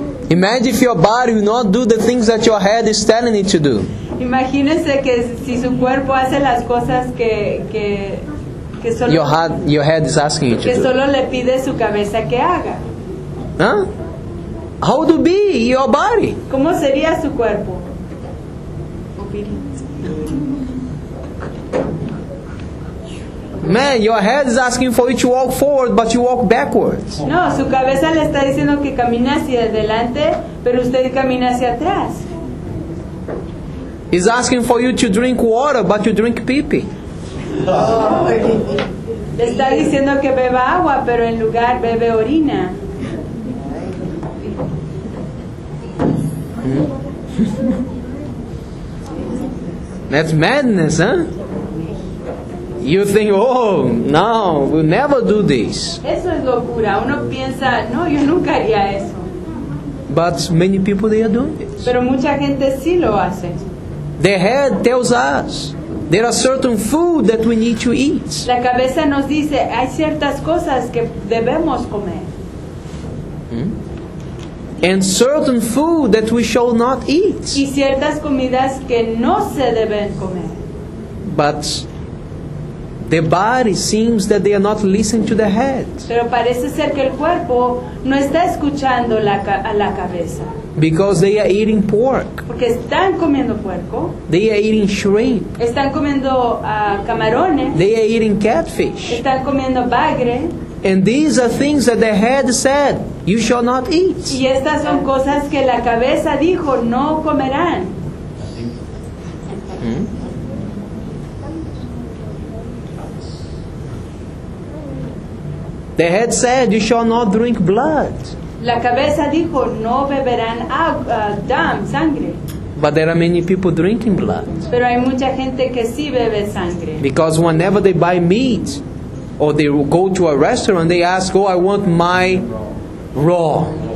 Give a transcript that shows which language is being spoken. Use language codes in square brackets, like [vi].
[en] Imagine if your body will not do the things that your head is telling it to do. [es] Imagínese que si su cuerpo hace las cosas que solo [en] your head is asking you to [es] do. Que solo le pide su cabeza que haga. [en] Huh? How would it be your body? [es] ¿Cómo sería su cuerpo? [en] Man, your head is asking for you to walk forward, but you walk backwards. [es] No, su cabeza le está diciendo que camina hacia adelante, pero usted camina hacia atrás. [en] He's asking for you to drink water, but you drink pee-pee. [es] Le está diciendo que beba agua, pero en lugar bebe orina. [en] That's madness, huh? You think, oh, no, we'll never do this. [es] Eso es locura. Uno piensa, no, yo nunca haría eso. [en] But many people, they are doing this. [es] Pero mucha gente sí lo hace. [en] The head tells us there are certain food that we need to eat. [es] La cabeza nos dice, hay ciertas cosas que debemos comer. [en] And certain food that we shall not eat. [es] Y ciertas comidas que no se deben comer. [en] But the body seems that they are not listening to the head. [es] Pero parece ser que el cuerpo no está escuchando a la cabeza. [en] Because they are eating pork. [es] Porque están comiendo puerco. [en] They are eating shrimp. [es] Están comiendo camarones. [en] They are eating catfish. [es] Están comiendo bagre. [en] And these are things that the head said, you shall not eat. [es] Y estas son cosas que la cabeza dijo, no comerán. [en] The head said, you shall not drink blood. [es] La cabeza dijo, no beberán sangre. [en] But there are many people drinking blood. [es] Pero hay mucha gente que sí bebe sangre. [en] Because whenever they buy meat, or they go to a restaurant, they ask, oh, I want my raw.